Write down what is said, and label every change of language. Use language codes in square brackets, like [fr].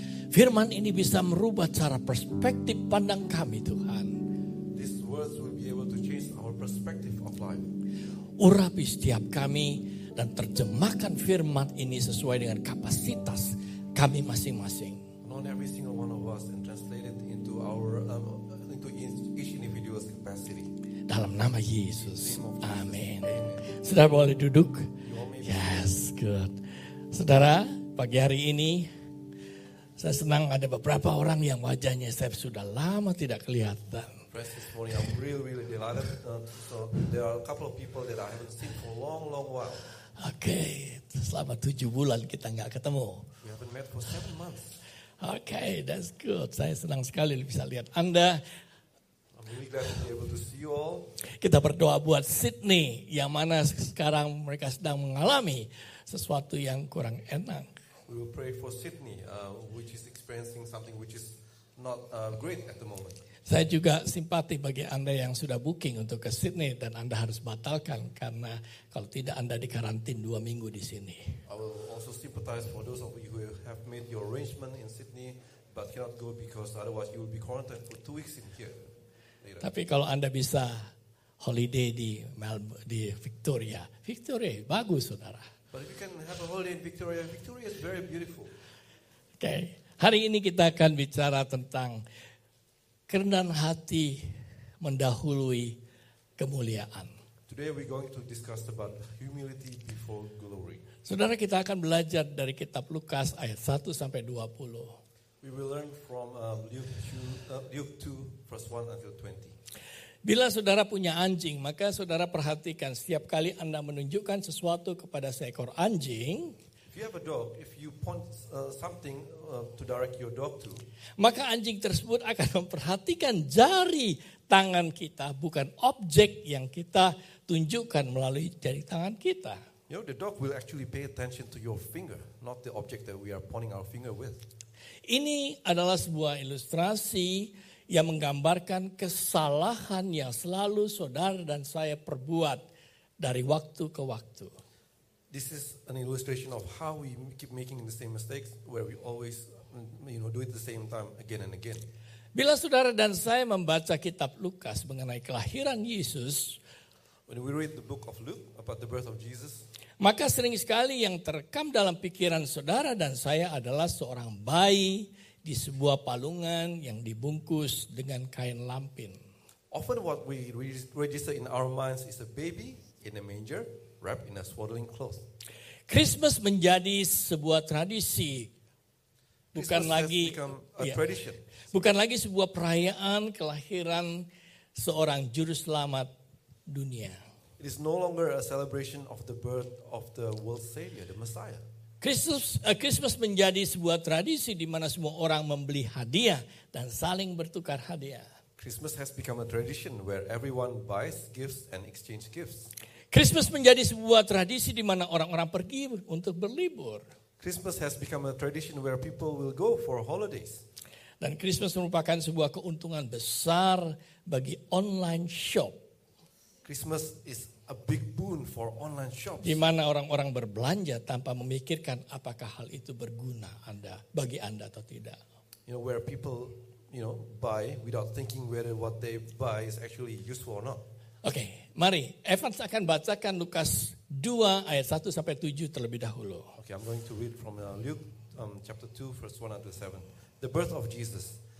[id] firman ini bisa merubah cara perspektif pandang kami, Tuhan. [en] These words will be able to change our perspective of life. [id] Urapi setiap kami dan terjemahkan firman ini sesuai dengan kapasitas kami masing-masing. [en] Not every single one of us and translate it into our into each individual's capacity. [id] Dalam nama Yesus. Amin. Saudara boleh duduk. [en] Yes, good. [id] Saudara, pagi hari ini saya senang ada beberapa orang yang wajahnya saya sudah lama tidak kelihatan. [en] Praise this morning, I'm really delighted. So there are a couple of people that I haven't seen for long while. [id] Okay, selama 7 bulan kita enggak ketemu. [en] We haven't met for 7 months. Okay, that's good. [id] Saya senang sekali bisa lihat Anda. [en] I'm really glad to be able to see you all. [id] Kita berdoa buat Sydney yang mana sekarang mereka sedang mengalami sesuatu yang kurang enak. [en] We will pray for Sydney, which is experiencing something which is not great at the moment. [id] Saya juga simpati bagi Anda yang sudah booking untuk ke Sydney dan Anda harus batalkan karena kalau tidak Anda dikarantin 2 minggu di sini. [en] I will also sympathize for those of you who have made your arrangement in Sydney but cannot go because otherwise you will be quarantined for 2 weeks in here. Later. [id] Tapi kalau Anda bisa holiday di Melbourne, di Victoria. Victoria bagus, saudara. [en] But if you can have a holiday in Victoria, Victoria is very beautiful. [id] Okay, hari ini kita akan bicara tentang kerendahan hati mendahului kemuliaan. [en] Today we're going to discuss about humility before glory. [id] Saudara, kita akan belajar dari kitab Lukas ayat 1 sampai 20. [en] We will learn from Luke 2 verse 1 until 20. [id] Bila saudara punya anjing, maka saudara perhatikan setiap kali Anda menunjukkan sesuatu kepada seekor anjing. [en] If you have a dog, if you point something to direct your dog to, [id] maka anjing tersebut akan memperhatikan jari tangan kita, bukan objek yang kita tunjukkan melalui jari tangan kita. [en] You know, the dog will actually pay attention to your finger, not the object that we are pointing our finger with. [id] Ini adalah sebuah ilustrasi yang menggambarkan kesalahan yang selalu saudara dan saya perbuat dari waktu ke waktu. [en] This is an illustration of how we keep making the same mistakes where we always, you know, do it the same time again and again. [id] Bila saudara dan saya membaca kitab Lukas mengenai kelahiran Yesus, [en] when we read the book of Luke about the birth of Jesus, [id] maka sering sekali yang terekam dalam pikiran saudara dan saya adalah seorang bayi di sebuah palungan yang dibungkus dengan kain lampin. [en] Often what we register in our minds is a baby in a manger wrapped in a swaddling cloth. [id] Christmas menjadi sebuah tradisi, bukan [en] Christmas [id] lagi [en] a tradition. [id] Bukan lagi sebuah perayaan kelahiran seorang juru selamat dunia. [en] It is no longer a celebration of the birth of the world savior, the Messiah. [id] Christmas menjadi sebuah tradisi di mana semua orang membeli hadiah dan saling bertukar hadiah. [en] Christmas has become a tradition where everyone buys gifts and exchange gifts. [id] Christmas menjadi sebuah tradisi di mana orang-orang pergi untuk berlibur. [en] Christmas has become a tradition where people will go for holidays. [id] Dan Christmas merupakan sebuah keuntungan besar bagi online shop. [en] Christmas is a big boon for online shops. [id] Di mana orang-orang berbelanja tanpa memikirkan apakah hal itu berguna Anda, bagi Anda atau tidak. [en] You know, where people, you know, buy without thinking whether what they buy is actually useful or not. [id] Okay, mari Evans akan bacakan Lukas 2 ayat 1 sampai 7 terlebih dahulu. [en] Okay, I'm going to read from Luke chapter 2 verse 1 to 7. The birth of Jesus.